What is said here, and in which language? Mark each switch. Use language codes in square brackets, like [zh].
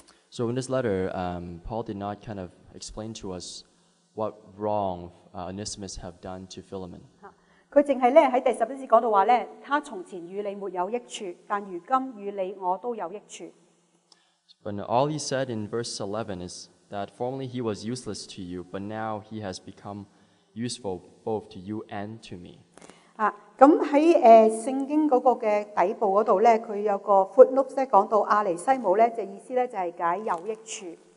[en] So in this letter, Paul did not kind of explain to us what wrong Onesimus have done to Philemon. [yue] 佢淨係咧喺第十一節講到話咧，他從前與你沒有益處，但如今與你我都有益處。 [en] But all he said in verse 11 is that formerly he was useless to you, but now he has become useful both to you and to me. [yue] 啊，咁喺聖經嗰個嘅底部嗰度咧，佢有個 footnote 咧講到亞尼西姆咧，意思咧就係解有益處。